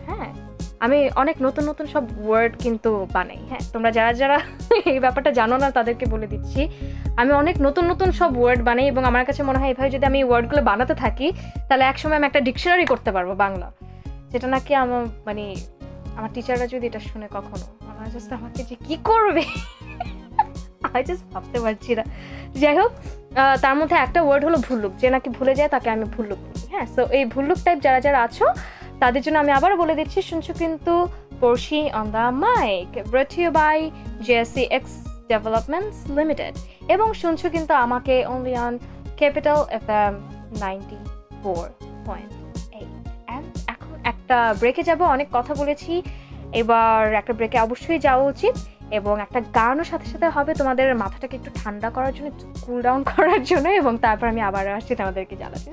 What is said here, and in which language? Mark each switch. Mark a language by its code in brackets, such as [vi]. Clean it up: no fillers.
[bn] হ্যাঁ আমি অনেক নতুন নতুন সব ওয়ার্ড কিন্তু বানাই, হ্যাঁ তোমরা যারা যারা এই ব্যাপারটা জানো না তাদেরকে বলে দিচ্ছি, আমি অনেক নতুন নতুন সব ওয়ার্ড বানাই এবং আমার কাছে মনে হয় এভাবে যদি আমি ওয়ার্ডগুলো বানাতে থাকি তাহলে একসময় আমি একটা ডিকশনারি করতে পারবো বাংলা, যেটা নাকি আমার মানে আমার টিচাররা যদি এটা শুনে কখনো আমার জাস্ট আমাকে যে কী করবে আমি জাস্ট ভাবতে পারছি না। যাই হোক তার মধ্যে একটা ওয়ার্ড হলো ভুল্লুক, যে নাকি ভুলে যায় তাকে আমি ভুল্লুক বলি। হ্যাঁ সো এই ভুল্লুক টাইপ যারা যারা আছো তাদের জন্য আমি আবারও বলে দিচ্ছি, শুনছো কিন্তু [en] Porshi on the mic, brought to you by JCX Developments Limited. [bn] এবং শুনছো কিন্তু আমাকে [en] only on [bn] Capital FM 94.8. And এখন একটা ব্রেকে যাব, অনেক কথা বলেছি, এবার একটা ব্রেকে অবশ্যই যাওয়া উচিত এবং একটা গানও সাথে সাথে হবে তোমাদের মাথাটাকে একটু ঠান্ডা করার জন্য, কুল ডাউন করার জন্য, এবং তারপর আমি আবার আসছি তোমাদেরকে জানাচ্ছি.